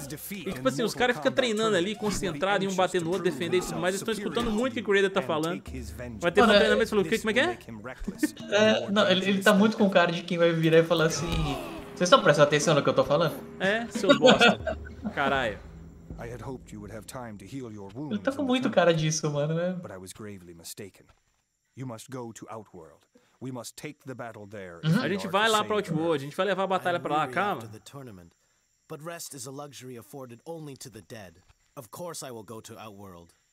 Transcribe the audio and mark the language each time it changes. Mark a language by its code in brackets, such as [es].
[pt] E tipo assim, os caras ficam treinando ali, concentrados em um bater no outro, defender e tudo mais. Eles estão escutando muito o que o Creator tá falando. Vai ter um treinamento e falou, como é que é? É, não, ele tá muito com cara de quem vai virar e falar assim. Vocês estão prestando atenção no que eu tô falando? É, seu bosta. Caralho. [en] I had hoped you would have time to heal your wounds. [pt] Eu tava com muito cara disso, mano, né? [en] But I was gravely mistaken. You must go to Outworld. We must take the battle there. [pt] A gente vai lá pra Outworld, a gente vai levar a batalha pra lá, calma. [en] The tournament. But rest is a luxury afforded only to the dead. Of course I will go to Outworld.